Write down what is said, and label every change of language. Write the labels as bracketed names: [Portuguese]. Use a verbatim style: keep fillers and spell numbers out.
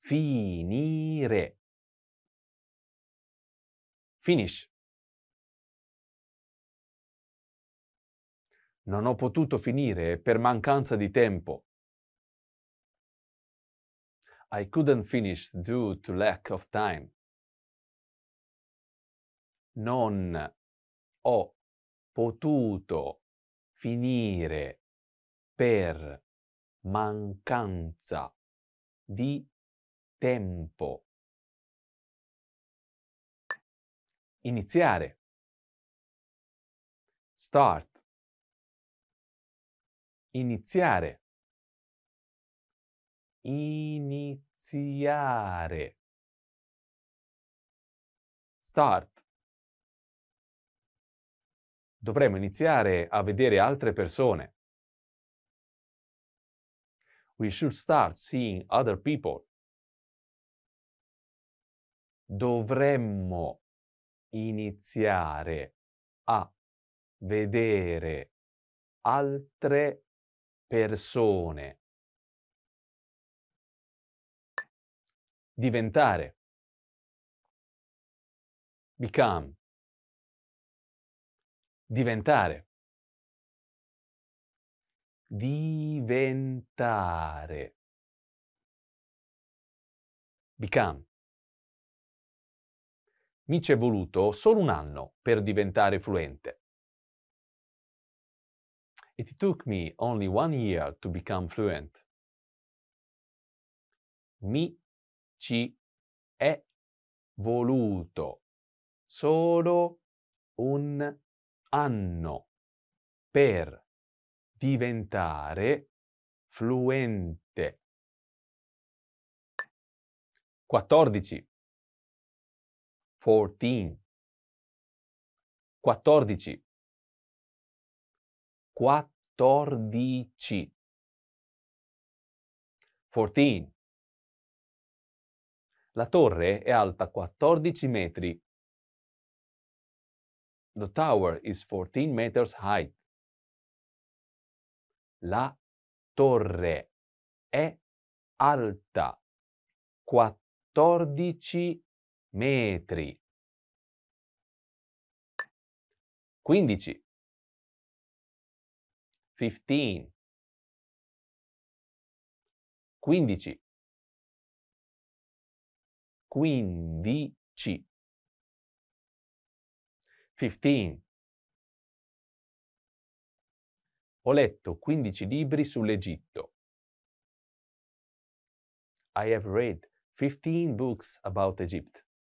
[Italian] Finire. [English] Finish. [Italian] Non ho potuto finire per mancanza di tempo. [English] I couldn't finish due to lack of time. [Italian] Non ho potuto finire per mancanza di tempo. Iniziare. [English] Start. [Italian] Iniziare. Iniziare. [English] Start. [Italian] Dovremmo iniziare a vedere altre persone. [English] We should start seeing other people. [Italian] Dovremmo iniziare a vedere altre persone. Diventare. [English] Become. [Italian] Diventare. Diventare. [English] Become. [Italian] Mi ci è voluto solo un anno per diventare fluente. [English] It took me only one year to become fluent. [Italian] Mi ci è voluto solo un anno per diventare fluente. Quattordici. Fourteen. Quattordici. Quattordici. [English] Fourteen. [Italian] La torre è alta quattordici metri. [English] The tower is fourteen meters high. [Italian] La torre è alta quattordici metri. Quindici. [English] fifteen. [Italian] Quindici. Quindici. [English] Fifteen. [Italian] Ho letto quindici libri sull'Egitto. [English] I have read fifteen books about Egypt.